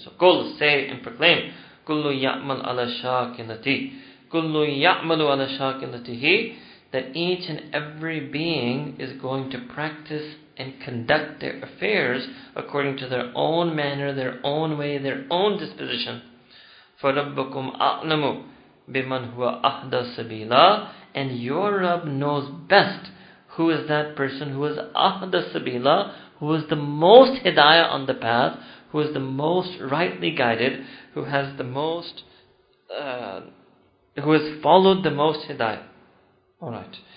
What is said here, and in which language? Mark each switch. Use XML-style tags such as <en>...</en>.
<ar>So qul,</ar> <en>say and proclaim,</en> <ar>kullu ya'mal ala shakilati, kullu ya'malu ala shakilatihi.</ar> <en>That each and every being is going to practice and conduct their affairs according to their own manner, their own way, their own disposition.</en> <ar>فَرَبَّكُمْ أَعْلَمُ بِمَنْ هُوَ أَحْدَى سَبِيلًا.</ar> <en>And your Rabb knows best who is that person who is</en> <ar>أَحْدَى سَبِيلًا,</ar> <en>who is the most hidayah on the path, who is the most rightly guided, who has the most, who has followed the most hidayah. Alright.</en>